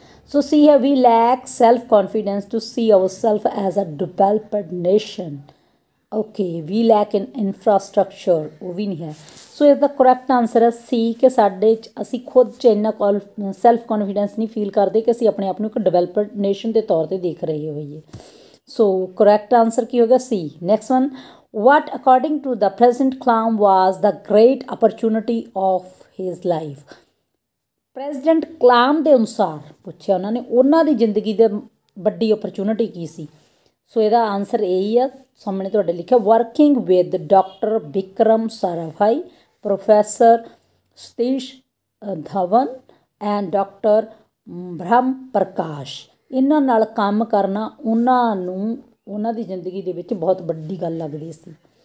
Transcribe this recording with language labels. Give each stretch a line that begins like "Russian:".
English: ਸੋ ਸੀ ਹੈ, we lack self confidence to see our self as a developed nation, okay, we lack in infrastructure,
Punjabi: ਉਹ ਵੀ ਨਹੀਂ ਹੈ। ਸੋ ਇਸਦਾ ਕਰੈਕਟ ਆਂਸਰ ਹੈ ਸੀ, ਕਿ ਸਾਡੇ 'ਚ ਅਸੀਂ ਖੁਦ 'ਚ ਇੰਨਾ ਸੈਲਫ ਕੌਨਫੀਡੈਂਸ ਨਹੀਂ ਫੀਲ ਕਰਦੇ ਕਿ ਅਸੀਂ ਆਪਣੇ ਆਪ ਨੂੰ ਇੱਕ ਡਿਵੈਲਪਡ ਨੇਸ਼ਨ ਦੇ ਤੌਰ 'ਤੇ ਦੇਖ ਰਹੇ ਹੋਈਏ। ਸੋ ਕਰੈਕਟ ਆਂਸਰ ਕੀ ਹੋ ਗਿਆ? ਸੀ। Next one,
English: what according to the president Klum was the great opportunity of his life.
Punjabi: President Klum ਦੇ ਅਨੁਸਾਰ ਪੁੱਛਿਆ ਉਹਨਾਂ ਨੇ ਉਹਨਾਂ ਦੀ ਜ਼ਿੰਦਗੀ ਦੇ ਵੱਡੀ ਓਪਰਚੁਨਿਟੀ ਕੀ ਸੀ. ਸੋ ਇਹਦਾ ਆਨਸਰ ਇਹੀ ਆ ਸਾਹਮਣੇ ਤੁਹਾਡੇ ਲਿਖਿਆ, working with doctor Vikram Sarabhai, professor Satish Dhawan and doctor ਬ੍ਰਹਮ ਪ੍ਰਕਾਸ਼, ਇਹਨਾਂ ਨਾਲ ਕੰਮ ਕਰਨਾ ਉਹਨਾਂ ਨੂੰ ਉਹਨਾਂ ਦੀ ਜ਼ਿੰਦਗੀ ਦੇ ਵਿੱਚ ਬਹੁਤ ਵੱਡੀ ਗੱਲ ਲੱਗਦੀ ਸੀ.